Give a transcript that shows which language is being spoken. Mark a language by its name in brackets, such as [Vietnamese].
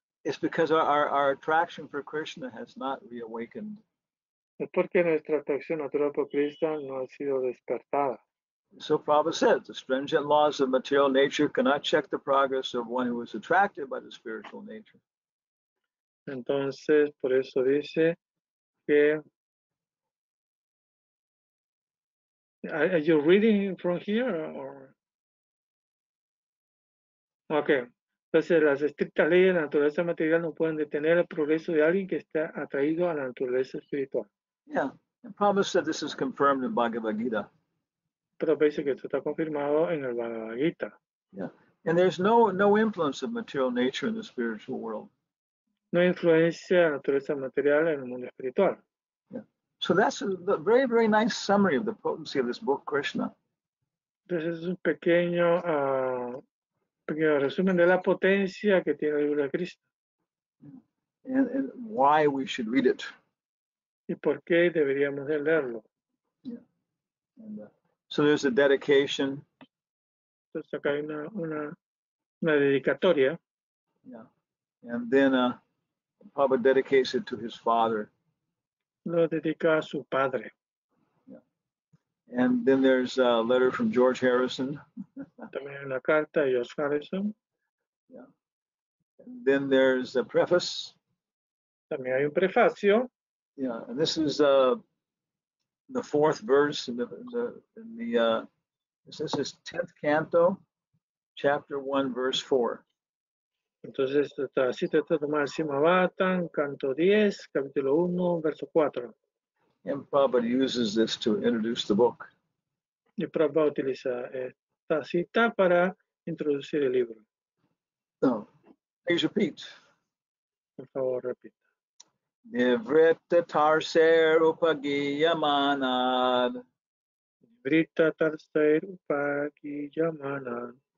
[English] It's because our attraction for Krishna has not reawakened. [Spanish] Es porque nuestra atracción natural por Krishna no ha sido despertada. [English] So Prabhupada said, the stringent laws of material nature cannot check the progress of one who is attracted by the spiritual nature. [Spanish] Entonces, por eso dice que. [English] Are you reading from here? Or? Okay. [Spanish] Entonces, las estrictas leyes de la naturaleza material no pueden detener el progreso de alguien que está atraído a la naturaleza espiritual. [English] Yeah, the Prabhupada said this is confirmed in Bhagavad Gita. [Spanish] Pero dice que esto está confirmado en el Bhagavad Gita. [English] Yeah, and there's no influence of material nature in the spiritual world. [Spanish] No influencia de la naturaleza material en el mundo espiritual. [English] Yeah. So that's a very, very nice summary of the potency of this book, Krishna. [Spanish] Entonces es un pequeño resumen de la potencia que tiene el libro de Krishna. [English] And why we should read it. [Spanish] Y por qué deberíamos de leerlo. [English] So there's a dedication. [Spanish] Entonces acá hay una dedicatoria. [English] Yeah. And then Prabhupada dedicates it to his father. [Spanish] Lo dedica a su padre. [English] Yeah. And then there's a letter from George Harrison. [Spanish] También una carta de George Harrison. [English] Yeah. And then there's a preface. [Spanish] También hay un prefacio. [English] Yeah, and this is the fourth verse this is 10th canto, chapter 1, verse 4. [Spanish] Entonces, esto está así, esto está tomado en Simavatam, canto 10, capítulo 1, verso 4. [English] And Prabhupada uses this to introduce the book. [Spanish] Y Prabhupada utiliza esta cita para introducir el libro. [English] So, please repeat. [Spanish] Por favor, repita. [Sanskrit] Nivritta tarsair upagiyamanad. Nivritta tarsair upagiyamanad.